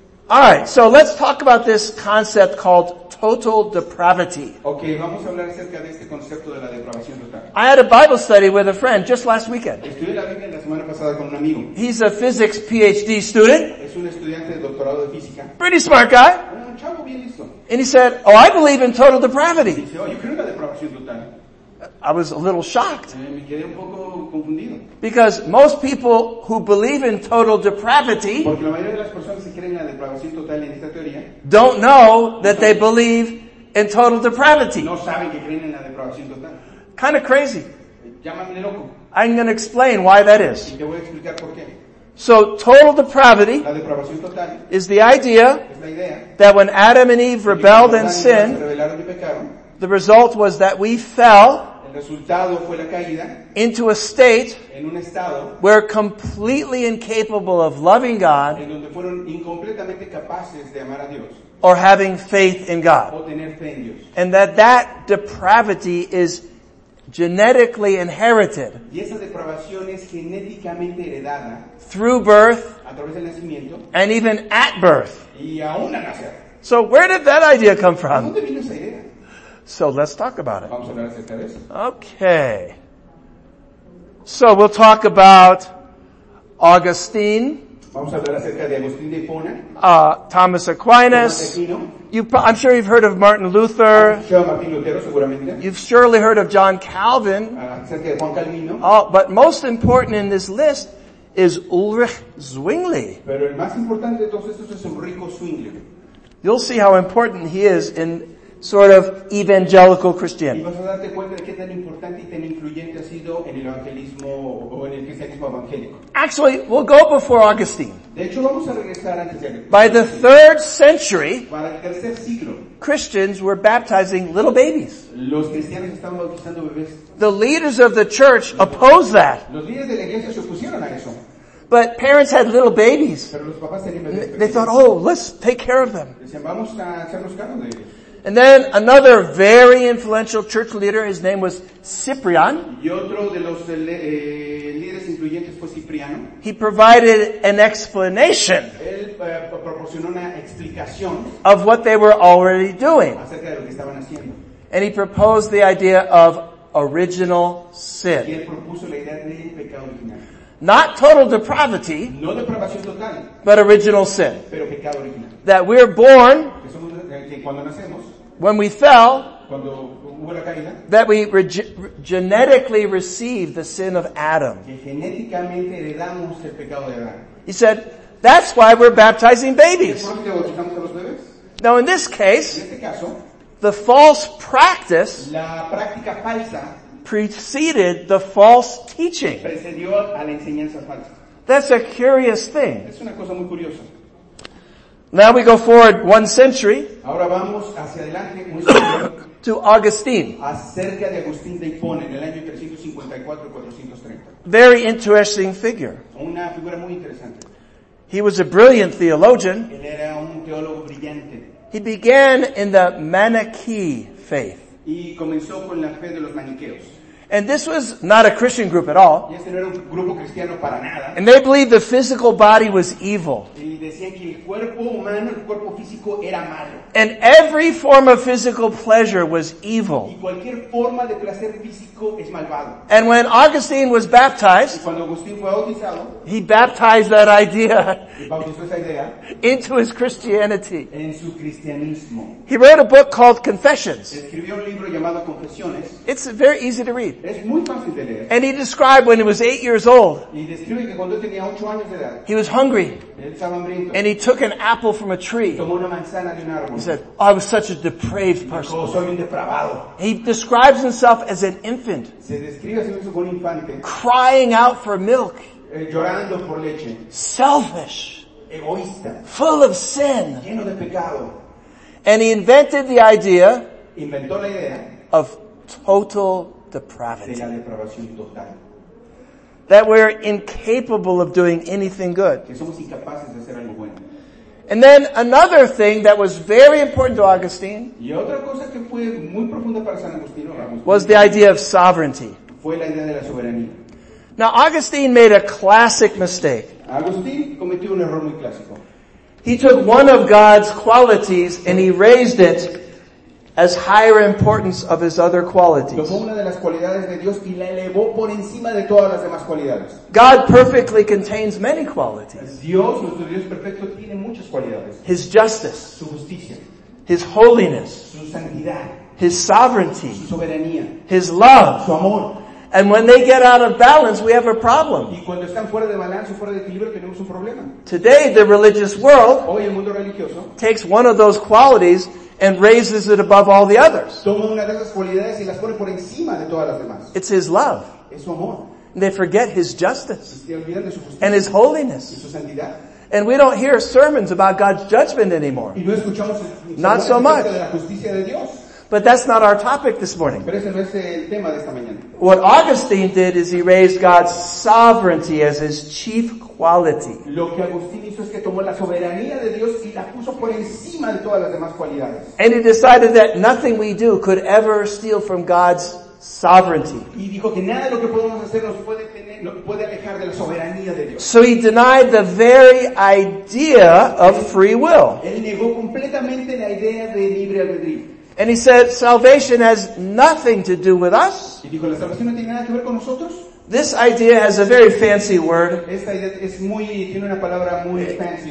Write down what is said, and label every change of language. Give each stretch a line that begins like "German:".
English: All right, so let's talk about this concept called total depravity.
Spanish: Okay, vamos a hablar acerca de este concepto de la depravación total.
English: I had a Bible study with a friend just last weekend.
Spanish: Estudié la Biblia la semana pasada con un amigo.
English: He's a physics PhD student.
Spanish: Es un estudiante de doctorado de física.
English: Pretty smart guy.
Spanish: Un chavo bien listo.
English: And he said, oh, I believe in total depravity.
Spanish: Dice, oh, yo creo en la depravación total.
English: I was a little shocked.
Spanish: Me quedé un poco confundido.
English: Because most people who believe in total depravity,
Spanish: porque la mayoría de las personas que creen en la depravación total en esta teoría,
English: don't know that they believe in total depravity.
Spanish: No saben que creen en la depravación total.
English: Kind of crazy.
Spanish: Llámame loco.
English: I'm going to explain why that is.
Spanish: Y te voy a explicar por qué.
English: So total depravity,
Spanish: la depravación total,
English: is the idea,
Spanish: es la idea
English: that when Adam and Eve rebelled and sinned,
Spanish: se rebelaron y pecaron,
English: the result was that we fell,
Spanish: el resultado fue la caída,
English: into a state,
Spanish: en un estado,
English: where completely incapable of loving God,
Spanish: en donde fueron incompletamente capaces de amar a Dios,
English: or having faith in God.
Spanish: O tener fe en Dios.
English: And that depravity is genetically inherited,
Spanish: y esa depravación es genéticamente heredada,
English: through birth,
Spanish: a través del nacimiento,
English: and even at birth.
Spanish: Y aún a nacer.
English: So where did that idea come from?
Spanish: ¿Dónde vino esa idea?
English: So let's talk about it.
Spanish: Vamos a hablar acerca de eso.
English: Okay. So we'll talk about Augustine.
Spanish: Vamos a hablar acerca de Agustín de Hipona.
English: Thomas Aquinas. I'm sure you've heard of Martin Luther.
Spanish: Martin Lutero, seguramente.
English: You've surely heard of John Calvin.
Spanish: Acerca de Juan Calvino.
English: But most important in this list is Ulrich Zwingli.
Spanish: Pero el más importante de todos estos es Ulrich Zwingli.
English: You'll see how important he is in sort of evangelical Christianity.
Spanish: Y vas a darte cuenta de qué tan importante y tan influyente ha sido en el evangelismo o en el cristianismo evangélico.
English: Actually, we'll go before Augustine.
Spanish: De hecho, vamos a regresar antes de Augustine.
English: By the third century,
Spanish: para el tercer siglo,
English: Christians were baptizing little babies.
Spanish: Los cristianos estaban bautizando bebés.
English: The leaders of the church opposed that.
Spanish: Los líderes de la iglesia se opusieron a eso.
English: But parents had little babies.
Spanish: Pero los papás tenían bebés.
English: They thought, oh, let's take care of them.
Spanish: Decían, vamos a hacernos cargo de ellos.
English: And then another very influential church leader, his name was Cyprian.
Spanish: Y otro de los líderes influyentes fue Cipriano.
English: He provided an explanation
Spanish: proporcionó una explicación
English: of what they were already doing.
Spanish: Acerca de lo que estaban haciendo.
English: And he proposed the idea of original sin.
Spanish: Y él propuso la idea de pecado original.
English: Not total depravity,
Spanish: no depravación total,
English: but original sin.
Spanish: Pero pecado original.
English: That we're born,
Spanish: que somos, que cuando nacemos,
English: when we fell,
Spanish: cuando hubo la caída,
English: that we genetically received the sin of Adam.
Spanish: Que genéticamente heredamos el pecado de Adán.
English: He said, that's why we're baptizing babies.
Spanish: ¿Y por qué bautizamos a los bebés?
English: Now in this case,
Spanish: en este caso,
English: the false practice,
Spanish: la práctica falsa,
English: preceded the false teaching.
Spanish: Precedió a la enseñanza falsa.
English: That's a curious thing.
Spanish: Es una cosa muy curiosa.
English: Now we go forward one century.
Spanish: Ahora vamos hacia adelante, muy
English: to Augustine.
Spanish: Acerca de Agustín de Hipona, en el año 354-430.
English: Very interesting figure.
Spanish: Una figura muy interesante.
English: He was a brilliant theologian.
Spanish: Él era un teólogo brillante.
English: He began in the Manichee faith.
Spanish: Y comenzó con la fe de los maniqueos.
English: And this was not a Christian group at all.
Spanish: Y este no era un grupo cristiano para nada.
English: And they believed the physical body was evil.
Spanish: Y decían que el cuerpo humano, el cuerpo físico era malo.
English: And every form of physical pleasure was evil.
Spanish: Y cualquier forma de placer físico es malvado.
English: And when Augustine was baptized,
Spanish: y cuando Agustín fue bautizado,
English: he baptized that idea,
Spanish: y bautizó esa idea
English: into his Christianity.
Spanish: En su cristianismo.
English: He wrote a book called Confessions.
Spanish: Escribió un libro llamado Confesiones.
English: It's very easy to read.
Spanish: Es muy fácil de leer.
English: And he described when he was 8 years old.
Spanish: Y describe que cuando tenía 8 años de edad,
English: he was hungry.
Spanish: Él estaba hambriento.
English: And he took an apple from a tree.
Spanish: Tomó una manzana de un árbol.
English: He said, oh, I was such a depraved person.
Spanish: Y dijo, soy un depravado.
English: He describes himself as an infant.
Spanish: Se describe a sí mismo como un infante.
English: Crying out for milk.
Spanish: Llorando por leche.
English: Selfish.
Spanish: Egoísta.
English: Full of sin.
Spanish: Lleno de pecado.
English: And he invented the idea.
Spanish: Inventó la idea.
English: Of total depravity.
Spanish: De la depravación total.
English: That we're incapable of doing anything good.
Spanish: Que somos incapaces de hacer algo bueno.
English: And then another thing that was very important to Augustine,
Spanish: y otra cosa que fue muy profunda para San Agustín,
English: was the idea of sovereignty.
Spanish: Fue la idea de la soberanía.
English: Now Augustine made a classic mistake.
Spanish: Agustín cometió un error muy clásico.
English: He took one of God's qualities and he raised it as higher importance of his other qualities.
Spanish: Tomó una de las cualidades de Dios y la elevó por encima de todas las demás cualidades.
English: God perfectly contains many qualities.
Spanish: Dios, nuestro Dios perfecto, tiene muchas cualidades.
English: His justice.
Spanish: Su justicia.
English: His holiness.
Spanish: Su santidad.
English: His sovereignty.
Spanish: Su soberanía.
English: His love.
Spanish: Su amor.
English: And when they get out of balance, we have a problem.
Spanish: Y cuando están fuera de balance, fuera de equilibrio, tenemos un problema.
English: Today, the religious world,
Spanish: hoy el mundo religioso,
English: takes one of those qualities and raises it above all the others.
Spanish: Toma una de esas cualidades y las pone por encima de todas las demás.
English: It's his love.
Spanish: Es su amor.
English: And they forget his justice.
Spanish: Y se olvidan de su justicia.
English: And his holiness.
Spanish: Y su santidad.
English: And we don't hear sermons about God's judgment anymore.
Spanish: Y no escuchamos
English: not so much.
Spanish: De la justicia de Dios.
English: But that's not our topic this morning.
Spanish: Pero ese no es el tema de esta mañana.
English: What Augustine did is he raised God's sovereignty as his chief quality.
Spanish: Lo que Agustín hizo es que tomó la soberanía de Dios y la puso por encima de todas las demás cualidades.
English: And he decided that nothing we do could ever steal from God's sovereignty.
Spanish: Y dijo que nada de lo que podemos hacer nos puede tener, nos puede alejar de la soberanía de Dios.
English: So he denied the very idea of free will.
Spanish: Él negó completamente la idea de libre albedrío.
English: And he said, salvation has nothing to do with us.
Spanish: Y dijo, la salvación no tiene nada que ver con nosotros.
English: This idea has a very fancy word.
Spanish: Esta idea es muy, tiene una palabra muy fancy.